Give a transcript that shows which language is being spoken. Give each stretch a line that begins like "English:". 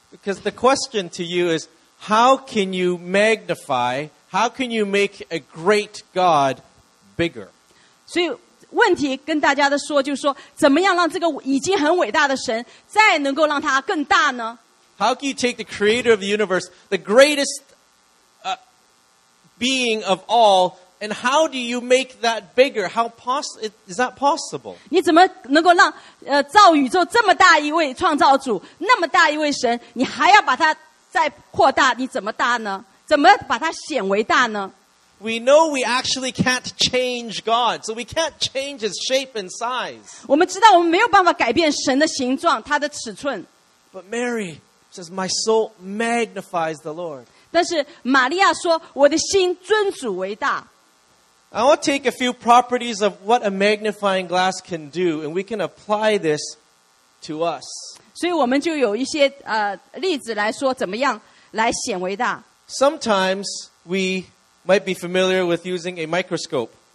English: Because the question to you is, how can you magnify, how can you make a great God bigger?
Chinese: 所以问题跟大家的说就是说，怎么样让这个已经很伟大的神再能够让它更大呢？
English: How can you take the creator of the universe, the greatest being of all, and how do you make that bigger? Is that possible?
Chinese: 你怎么能够让造宇宙这么大一位创造主，那么大一位神，你还要把它再扩大，你怎么大呢？怎么把它显为大呢？
English: We know we actually can't change God, so we can't change His shape and size.
Chinese: 我们知道我们没有办法改变神的形状，祂的尺寸。
English: But Mary says, "My soul magnifies the Lord."
Chinese: 但是玛利亚说，我的心尊主为大。
English: I want to take a few properties of what a magnifying glass can do, and we can apply this to us.
Chinese: 所以我们就有一些例子来说怎么样来显微大。
English: Sometimes we might be familiar with using a microscope.